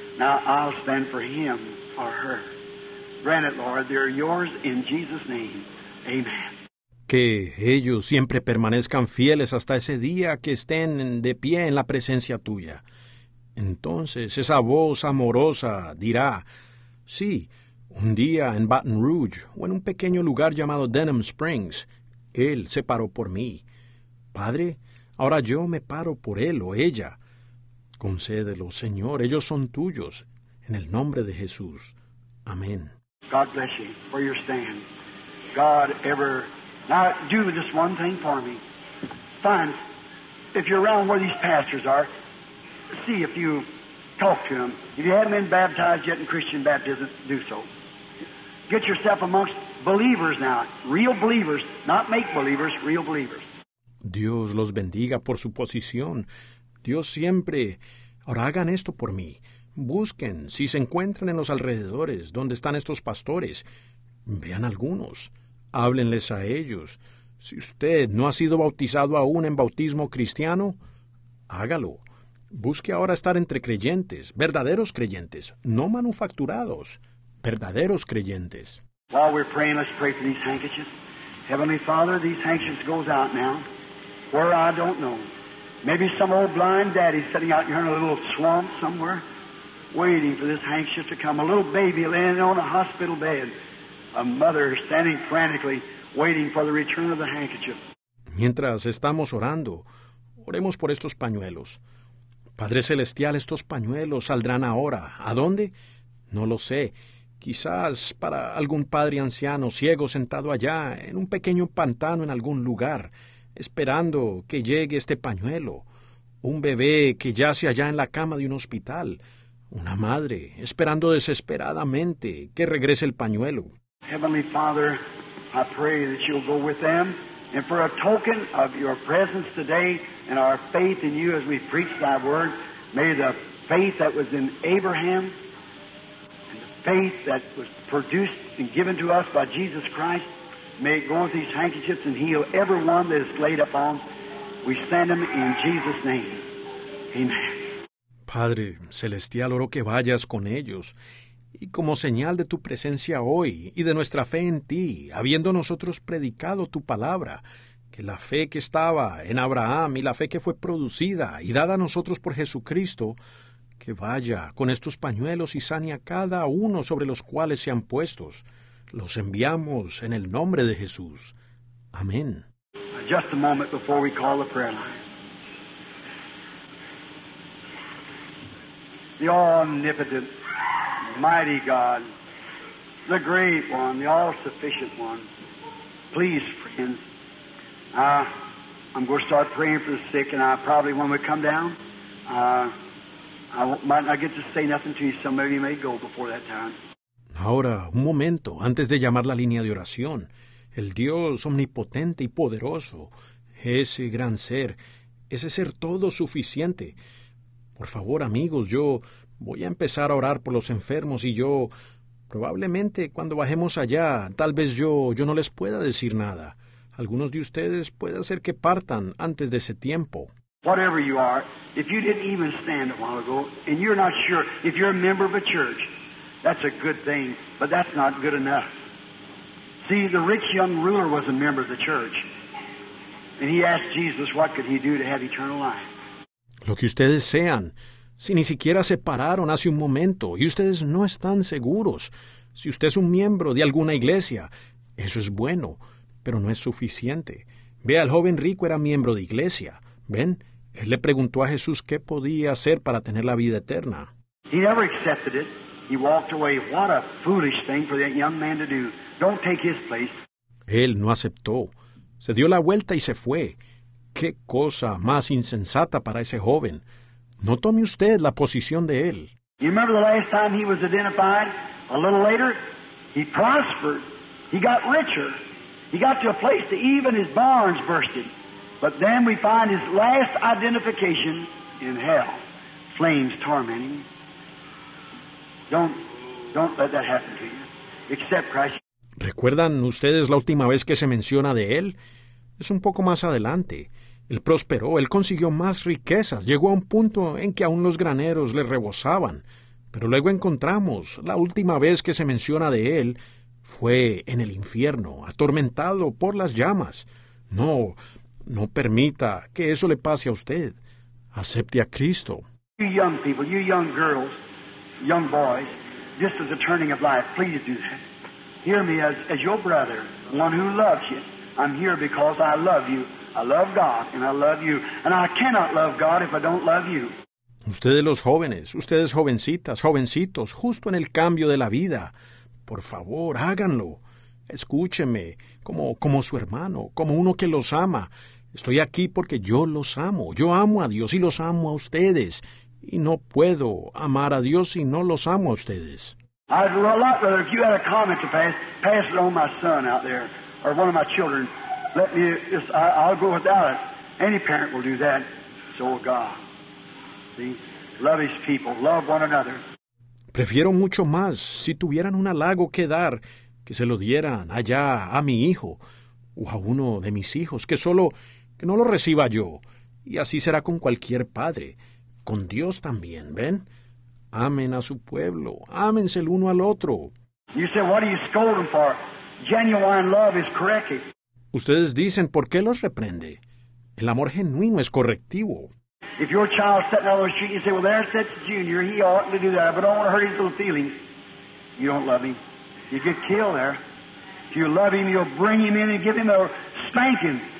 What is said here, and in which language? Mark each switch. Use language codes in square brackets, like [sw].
[en] Now I'll stand for him or her. Grant it, Lord. They're yours in Jesus' name. Amen. [es] Que ellos siempre permanezcan fieles hasta ese día que estén de pie en la presencia tuya. Entonces esa voz amorosa dirá, sí, un día en Baton Rouge o en un pequeño lugar llamado Denham Springs, él se paró por mí. Padre, ahora yo me paro por él o ella. Concédelo, Señor. Ellos son tuyos. En el nombre de Jesús. Amén. [en] God bless you for your stand. God ever... Now, do just one thing for me. Find, if you're around where these pastors are, see if you talk to them. If you haven't been baptized yet in Christian baptism, do so. Get yourself amongst believers now. Real believers, not make believers, real believers. [es] Dios los bendiga por su posición. Dios siempre, ahora hagan esto por mí. Busquen, si se encuentran en los alrededores donde están estos pastores, vean algunos, háblenles a ellos. Si usted no ha sido bautizado aún en bautismo cristiano, hágalo. Busque ahora estar entre creyentes, verdaderos creyentes, no manufacturados, verdaderos creyentes. [en] While we're praying, let's pray for these handkerchiefs. Heavenly Father, these handkerchiefs goes out now, where I don't know. Maybe some old blind daddy sitting out here in a little swamp somewhere, waiting for this handkerchief to come. A little baby laying on a hospital bed. A mother standing frantically, waiting for the return of the handkerchief. [es] Mientras estamos orando, oremos por estos pañuelos. Padre Celestial, estos pañuelos saldrán ahora. ¿A dónde? No lo sé. Quizás para algún padre anciano ciego sentado allá, en un pequeño pantano en algún lugar, esperando que llegue este pañuelo, un bebé que yace allá en la cama de un hospital, una madre esperando desesperadamente que regrese el pañuelo. [en] Heavenly Father, I pray that you'll go with them, and for a token of your presence today and our faith in you as we preach thy word, may the faith that was in Abraham and the faith that was produced and given to us by Jesus Christ, may it go with these handkerchiefs and heal everyone that is laid upon We send them in Jesus' name. Amen. [es] Padre Celestial, oro que vayas con ellos. Y como señal de tu presencia hoy y de nuestra fe en ti, habiendo nosotros predicado tu palabra, que la fe que estaba en Abraham y la fe que fue producida y dada a nosotros por Jesucristo, que vaya con estos pañuelos y sane a cada uno sobre los cuales se han puestos. Los enviamos en el nombre de Jesús. Amén. [en] Just a moment before we call the prayer line. The omnipotent, mighty God, the great one, the all-sufficient one, please, friends, I'm going to start praying for the sick, and I probably, when we come down, I might not get to say nothing to you. Some of you may go before that time. [es] Ahora, un momento, antes de llamar la línea de oración, el Dios omnipotente y poderoso, ese gran ser, ese ser todo suficiente. Por favor, amigos, yo voy a empezar a orar por los enfermos y yo, probablemente cuando bajemos allá, tal vez yo no les pueda decir nada. Algunos de ustedes puede ser que partan antes de ese tiempo. [en] Whatever you are, if you didn't even stand a while ago, and you're not sure, if you're a member of a church, that's a good thing, but that's not good enough. See, the rich young ruler was a member of the church, and he asked Jesus what could he do to have eternal life. [es] Lo que ustedes sean, si ni siquiera se pararon hace un momento y ustedes no están seguros, si usted es un miembro de alguna iglesia, eso es bueno, pero no es suficiente. Vea, el joven rico era miembro de iglesia. ¿Ven? Él le preguntó a Jesús qué podía hacer para tener la vida eterna. [en] He never accepted it. He walked away. What a foolish thing for that young man to do. Don't take his place. [es] Él no aceptó. Se dio la vuelta y se fue. ¡Qué cosa más insensata para ese joven! No tome usted la posición de él. [en] You remember the last time he was identified? A little later, he prospered. He got richer. He got to a place that even his barns bursted. But then we find his last identification in hell. Flames tormenting. Don't let that happen to you. Accept Christ. [es] ¿Recuerdan ustedes la última vez que se menciona de él? Es un poco más adelante. Él prosperó, él consiguió más riquezas, llegó a un punto en que aún los graneros le rebosaban. Pero luego encontramos, la última vez que se menciona de él, fue en el infierno, atormentado por las llamas. No, no permita que eso le pase a usted. Acepte a Cristo. [en] You young people, you young girls, young boys, this is a turning of life. Please do that. Hear me as your brother, one who loves you. I'm here because I love you. I love God and I love you. And I cannot love God if I don't love you. [es] Ustedes los jóvenes, ustedes jovencitas, jovencitos, justo en el cambio de la vida, por favor, háganlo. Escúcheme, como su hermano, como uno que los ama. Estoy aquí porque yo los amo. Yo amo a Dios y los amo a ustedes. Y no puedo amar a Dios si no los amo a ustedes. [en] I'd a lot rather if you had a comment to pass it on my son out there, or one of my children. Let me, I'll go without it. Any parent will do that. So will God. See? Love his people. Love one another. [es] Prefiero mucho más, si tuvieran un halago que dar, que se lo dieran allá a mi hijo o a uno de mis hijos, que solo que no lo reciba yo. Y así será con cualquier padre, con Dios también, ¿ven? Amen a su pueblo, ámense el uno al otro. [en] You say, what do you scold them for? Genuine love is corrective. [es] Ustedes dicen, ¿por qué los reprende? El amor genuino es correctivo. [en] If your child sitting out on the street, you say, well, there sits Junior, he oughtn't to do that, but I don't want to hurt his little feelings. You don't love him. You get killed there. If you love him, you'll bring him in and give him a spanking.